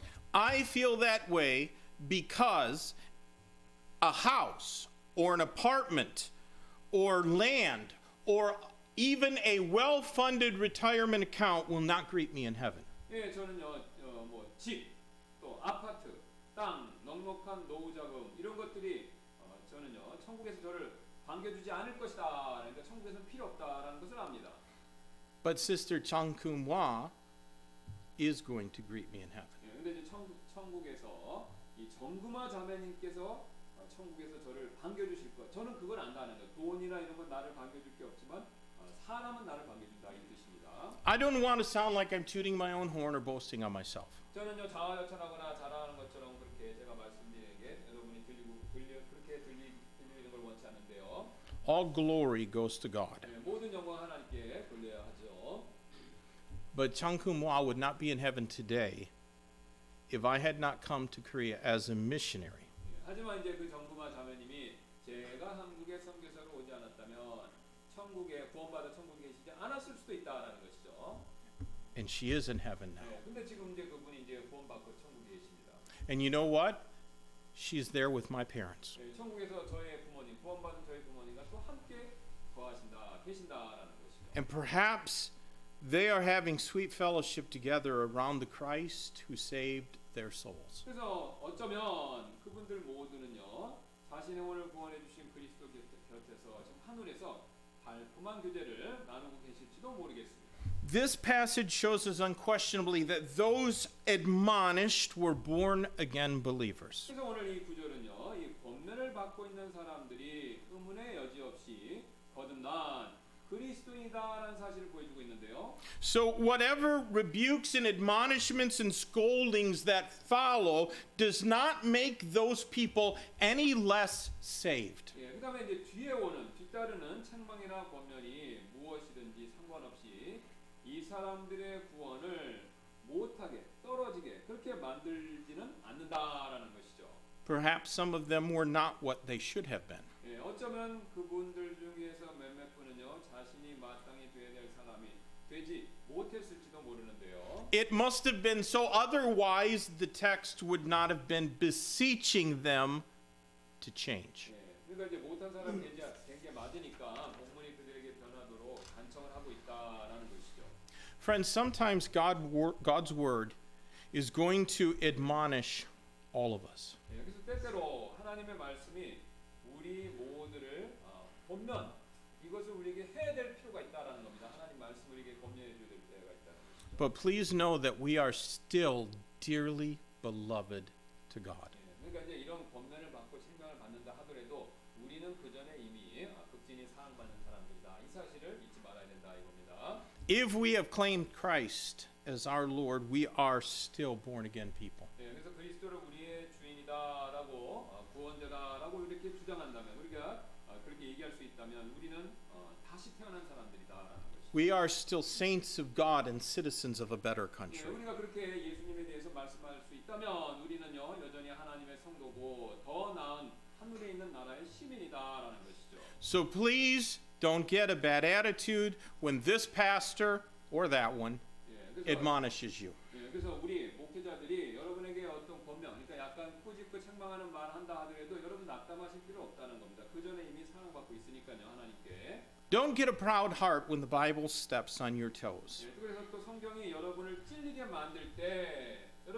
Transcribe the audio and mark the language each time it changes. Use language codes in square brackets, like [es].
[en] I feel that way because a house or an apartment or land or even a well-funded retirement account will not greet me in heaven. [ko] 예, 저는요, 뭐 집, 또 아파트, 땅, 넉넉한 노후 자금 이런 것들이 저는요, 천국에서 저를 반겨주지 않을 것이다. 그러니까 천국에서는 필요 없다라는 것을 압니다. [en] But Sister Chang Kum Hwa is going to greet me in heaven. [ko] 그런데 이제 천국에서 이 정금화 자매님께서 천국에서 저를 반겨주실 것. 저는 그걸 안다는 거예요. 돈이나 이런 건 나를 반겨줄 게 없지만 사람은 나를 반겨준다 이 뜻입니다. [en] I don't want to sound like I'm tooting my own horn or boasting on myself. [ko] 저는요 자화자찬하거나 자랑하는 것처럼 그렇게 제가 말씀드리는 게 여러분이 들리고 들려 그렇게 들리는 걸 원치 않는데요. [en] All glory goes to God. [ko] 모든 영광 하나님께 돌려야 하죠. [en] But Chang Kum Hwa would not be in heaven today if I had not come to Korea as a missionary. [ko] 하지만 이제 그 정금화 자매님이 제가 한국에 선교사로 오지 않았다면 천국에 구원받아 천국에 계시지 않았을 수도 있다라는 것이죠. [en] And she is in heaven now. [ko] 근데 지금 이제 그분이 이제 구원받고 천국에 계십니다. [en] And you know what? She's there with my parents. [ko] 천국에서 저의 부모님, 구원받은 저의 부모님과 또 함께 거하신다, 계신다라는 것이죠. [en] And perhaps they are having sweet fellowship together around the Christ who saved their souls. [ko] 그래서 어쩌면 그분들 모두는요 자신의 영혼을 구원해 주신 그리스도 곁에서 지금 하늘에서 달콤한 교제를 나누고 계실지도 모르겠습니다. [en] This passage shows us unquestionably that those admonished were born again believers. [ko] 그래서 오늘 이 구절은요 이 권면을 받고 있는 사람들이 의문의 여지 없이 거듭난 그리스도인이다라는 사실을 보여주고 있는데요. [en] So whatever rebukes and admonishments and scoldings that follow does not make those people any less saved. [ko] 예, 그다음에 이제 뒤에 오는 뒤따르는 책망이나 권면이 무엇이든지 상관없이 이 사람들의 구원을 못하게 떨어지게 그렇게 만들지는 않는다라는 것이죠. [en] Perhaps some of them were not what they should have been. [ko] 예, 어쩌면 그분들 중에서 몇몇 분은요 자신이 마땅히 되어야 될 사람이 되지 못했을지도 모르는데요. [en] It must have been so, otherwise the text would not have been beseeching them to change. [ko] 예, 그러니까 이제 못한 사람이 된게 맞으니까 본문이 그들에게 변하도록 간청을 하고 있다라는 것이죠. [en] Friends, sometimes God's word is going to admonish all of us. [ko] 예, 그래서 때때로 하나님의 말씀이 우리 모두를 본면 이것을 우리에게 해야 될 필요가 있다라는 겁니다. 하나님 말씀 우리에게 권면해 줘야 될 때가 있다. [en] But please know that we are still dearly beloved to God. [ko] 예, 그러니까 이제 이런 권면을 받고 생명을 받는다 하더라도 우리는 그 전에 이미 극진히 사랑받는 사람들이다. 이 사실을 잊지 말아야 된다 이겁니다. [en] If we have claimed Christ as our Lord, we are still born again people. [ko] 예, 그래서 그리스도를 우리의 주인이다라고 구원자다라고 이렇게 주장한다면 우리가 그렇게 얘기할 수 있다면 우리는 다시 태어난 사람들이다라는 것이죠. [en] We are still saints of God and citizens of a better country. [ko] 예, 우리가 그렇게 예수님에 대해서 말씀할 수 있다면 우리는요 여전히 하나님의 성도고 더 나은 하늘에 있는 나라의 시민이다라는 것이죠. [en] So please don't get a bad attitude when this pastor or that one [ko] 예, 그래서, [en] admonishes you. [ko] 예, 그래서 우리 목회자들이 여러분에게 어떤 권면, 그러니까 약간 꾸짖고 책망하는 말 한다 하더라도 여러분 낙담하실 필요 없다는 겁니다. 그 전에 이미 사랑받고 있으니까요, 하나님께. [en] Don't get a proud heart when the Bible steps on your toes. [ko] 예, 그래서 또 성경이 여러분을 찔리게 만들 때, 여러분